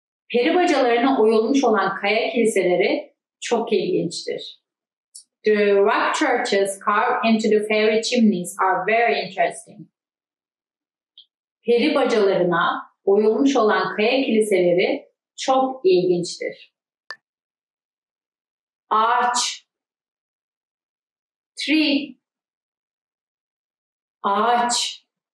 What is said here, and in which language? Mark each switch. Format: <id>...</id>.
<tr>Peri bacalarına oyulmuş olan kaya kiliseleri çok ilginçtir.</tr> <en>The rock churches carved into the fairy chimneys are very interesting.</en> <tr>Peri bacalarına oyulmuş olan kaya kiliseleri çok ilginçtir. Ağaç. Tree. Ağaç.</tr>